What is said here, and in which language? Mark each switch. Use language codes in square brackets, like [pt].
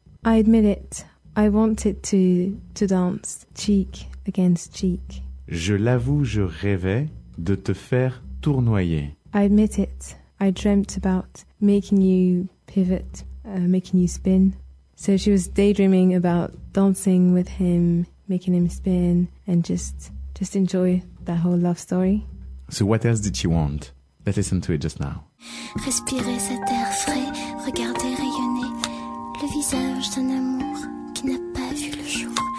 [en] I admit it. I wanted to dance cheek against cheek. [fr] Je l'avoue, je rêvais de te faire tournoyer. [en] I admit it. I dreamt about making you pivot, making you spin. So she was daydreaming about dancing with him, making him spin, and just enjoy that whole love story. So what else did she want? Let's listen to it just now. [fr] Respirer cet air frais, regarder rayonner le visage d'un amour qui n'a pas vu le jour.